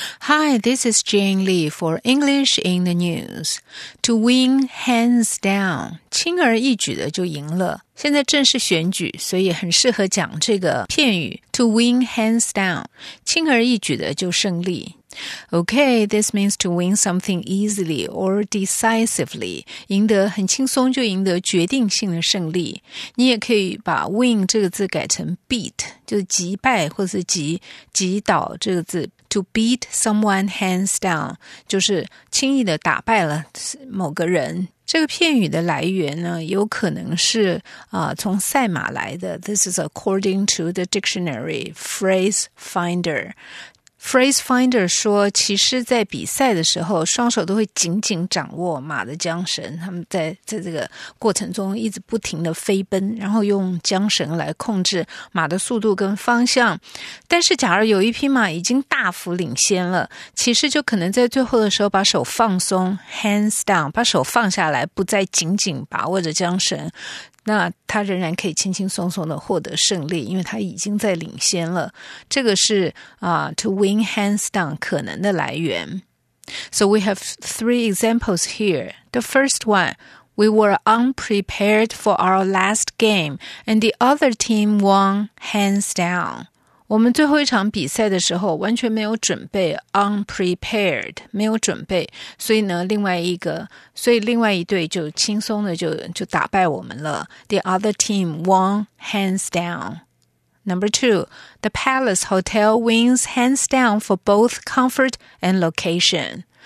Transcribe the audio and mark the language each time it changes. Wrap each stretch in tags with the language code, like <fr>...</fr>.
<en>Hi, this is Jane Lee for English in the News. To win hands down,</en> <zh>轻而易举的就赢了。现在正式选举，所以很适合讲这个片语。</zh> <en>To win hands down,</en> <zh>轻而易举的就胜利。</zh> <en>Okay, this means to win something easily or decisively.</en> <zh>赢得很轻松就赢得决定性的胜利。你也可以把 win 这个字改成 beat, 就是击败或是击倒这个字。</zh> <en>To beat someone hands down,</en> <zh>就是轻易的打败了某个人。这个片语的来源呢，有可能是从赛马来的。</zh> <en>This is according to the dictionary phrase finder.</en> <zh>Phrase Finder 说，其实在比赛的时候，双手都会紧紧掌握马的缰绳，他们在这个过程中一直不停的飞奔，然后用缰绳来控制马的速度跟方向。但是假如有一匹马已经大幅领先了，其实就可能在最后的时候把手放松 ,</zh> <en>hands down,</en> <zh>把手放下来，不再紧紧把握着缰绳。那他仍然可以轻轻松松地获得胜利，因为他已经在领先了。这个是</zh> <en>to win hands down</en> <zh>可能的来源。</zh> <en>So we have three examples here. The first one, we were unprepared for our last game, and the other team won hands down.</en> <zh>我们最后一场比赛的时候完全没有准备 ,unprepared, 没有准备。所以另外一队就轻松的就打败我们了。</zh> <en>The other team won hands down. Number two, the Palace Hotel wins hands down for both comfort and location.</en>